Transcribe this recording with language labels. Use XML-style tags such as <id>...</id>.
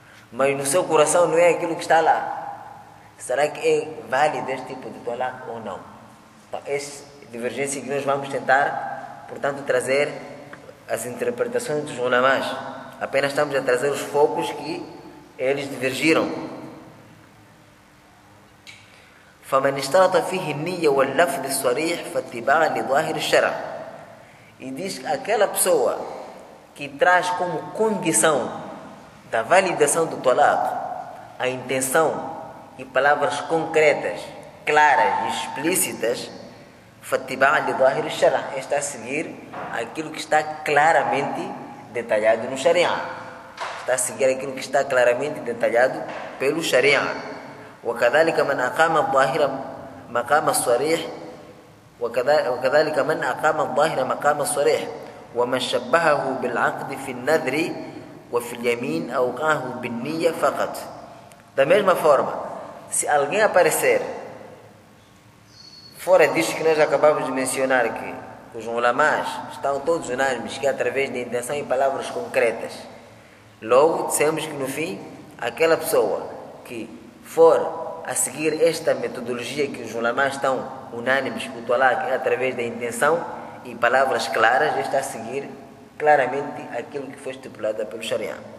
<pt>Mas no seu coração não é aquilo que está lá. Será que é válido este tipo de talaco ou não? Então, essa divergência que nós vamos tentar, portanto, trazer as interpretações dos ulamás. Apenas estamos a trazer os focos que eles divergiram.</pt> <ar>فمن اشترط فيه النية واللفظ الصريح فاتباع لظاهر الشرع.</ar> <pt>E diz que aquela pessoa que traz como condição da validação do talaco a intenção e palavras concretas, claras e explícitas,</pt> <ar>فاتباع لظاهر الشرع,</ar> <pt>está a seguir aquilo que está claramente detalhado no Sharia. Está a seguir aquilo que está claramente detalhado pelo Sharia.</pt> <ar>وكذلك من أقام الظاهر مقام الصريح وكذلك من أقام الظاهر مقام الصريح ومن شبهه بالعقد في النذر وفي اليمين أو قاه بالنية فقط.</ar> <pt>Da mesma forma, se alguém aparecer fora disto que nós acabamos de mencionar, que os ulamás estão todos unânimes que é através de intenção e palavras concretas, logo dissemos que no fim aquela pessoa que for a seguir esta metodologia que os ulamás estão unânimes que o talaq é através da intenção e palavras claras, está a seguir claramente aquilo que foi estipulado pelo Sharia.</pt>